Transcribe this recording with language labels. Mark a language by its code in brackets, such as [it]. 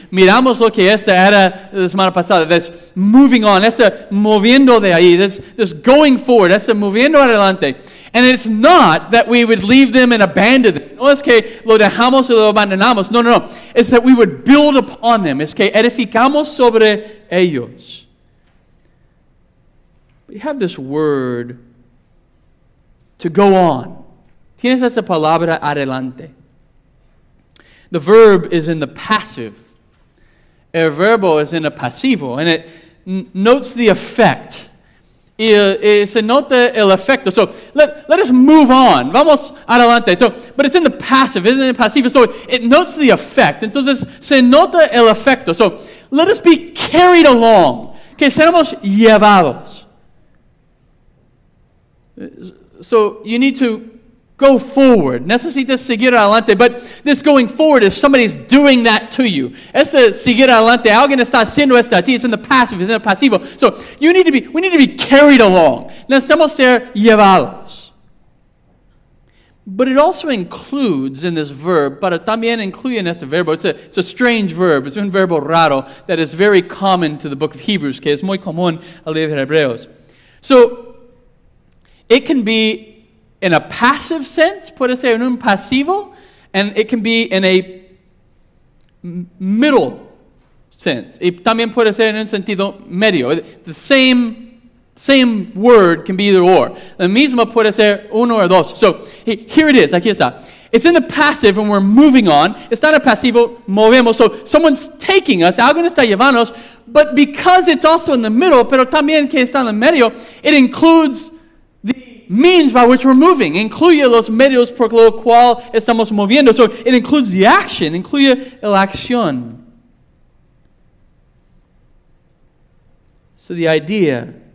[es] Miramos lo que esta era la semana pasada. [en] This moving on, [es] esta moviendo de ahí, [en] this going forward, [es] esta moviendo adelante. [en] And it's not that we would leave them and abandon them. [es] No es que lo dejamos y lo abandonamos. No, no, no. [en] It's that we would build upon them. [es] Es que edificamos sobre ellos. [en] We have this word to go on. [es] Tienes esa palabra adelante. [en] The verb is in the passive. [es] El verbo [en] is in a pasivo. And it notes the effect. [es] Y se nota el efecto. [en] So let us move on. [es] Vamos adelante. [en] So, but it's in the passive. It's in the pasivo. So it notes the effect. [es] Entonces se nota el efecto. [en] So Let us be carried along. [es] Que seamos llevados. [en] So you need to go forward. [es] Necesitas seguir adelante. [en] But this going forward is somebody's doing that to you. [es] Este seguir adelante, alguien está haciendo esto a ti. [en] It's in the passive, it's in the passivo. So you need to be, we need to be carried along. [es] Necesitamos ser llevados. [en] But it also includes in this verb, [es] para también incluye en este verbo, [en] it's a strange verb, it's [es] un verbo raro [en] that is very common to the book of Hebrews, [es] que es muy común al libro de Hebreos. [en] So, it can be in a passive sense, [es] puede ser en un pasivo, [en] and it can be in a middle sense. [es] Y también puede ser en un sentido medio. [en] The same word can be either or. [es] La misma puede ser uno o dos. [en] So, here it is. [es] Aquí está. [en] It's in the passive and we're moving on. It's not a pasivo. [es] Movemos. [en] So, someone's taking us. [es] Alguien está llevándonos. [en] But because it's also in the middle, [es] pero también que está en el medio, [en] it includes the means by which we're moving. [es] Incluye los medios por lo cual estamos moviendo. [en] So, it includes the action. [es] Incluye la acción. [en] So, the idea.